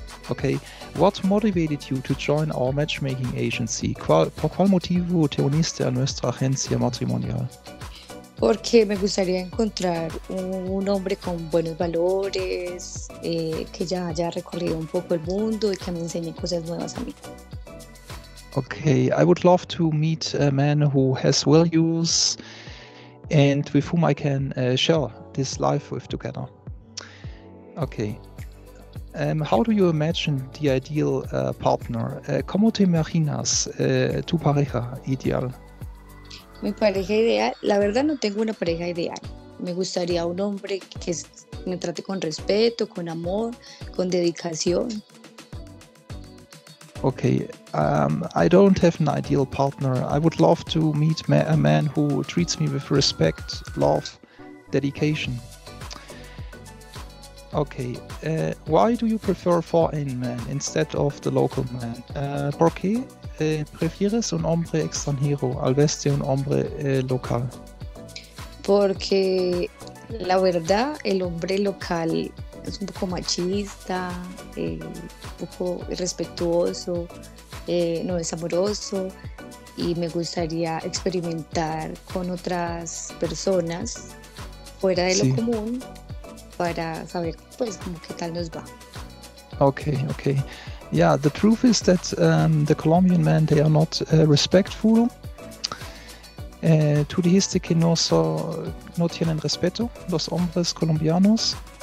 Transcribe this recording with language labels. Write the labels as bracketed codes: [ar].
[en] Okay, what motivated you to join our matchmaking agency? [es] ¿Por cuál motivo te uniste a nuestra agencia matrimonial? Porque me gustaría encontrar un hombre con buenos valores, que ya haya recorrido un poco el mundo y que me enseñe cosas nuevas a mí. [en] Okay, I would love to meet a man who has values and with whom I can share this life with together. Okay, how do you imagine the ideal partner? [es] ¿Cómo te imaginas tu pareja ideal? Mi pareja ideal, la verdad no tengo una pareja ideal. Me gustaría un hombre que me trate con respeto, con amor, con dedicación. [en] Okay, I don't have an ideal partner. I would love to meet a man who treats me with respect, love, dedication. Okay, why do you prefer foreign men instead of the local man? [es] ¿Por qué prefieres un hombre extranjero al vez de un hombre local? Porque la verdad, el hombre local es un poco machista, un poco irrespetuoso, no es amoroso y me gustaría experimentar con otras personas fuera de lo común para saber pues como qué tal nos va. [en] Okay. Yeah, the truth is that the Colombian men, they are not respectful. [es] Tú dijiste que no tienen respeto los hombres colombianos.